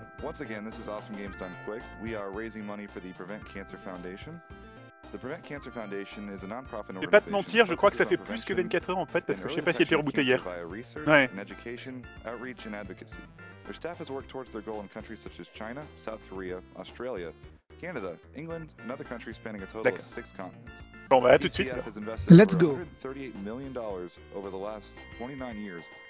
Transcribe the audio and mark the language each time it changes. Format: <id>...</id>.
<en>Once again, this is Awesome Games Done Quick. We are raising money for the Prevent Cancer Foundation. The Prevent Cancer Foundation is a non-profit organization.</en> <fr>Je vais pas te mentir, je crois que ça fait plus que 24 heures en fait, parce que je sais pas si elle était rebootée hier. Ouais.</fr> <en>Education, outreach and advocacy. Their staff has worked towards their goal in countries such as China, South Korea, Australia, Canada, England, and other countries spanning a total of 6 continents.</en> <fr>Bon, bah, à tout de suite.</fr> <en>Let's go. $38 million over the last 29 years.</en>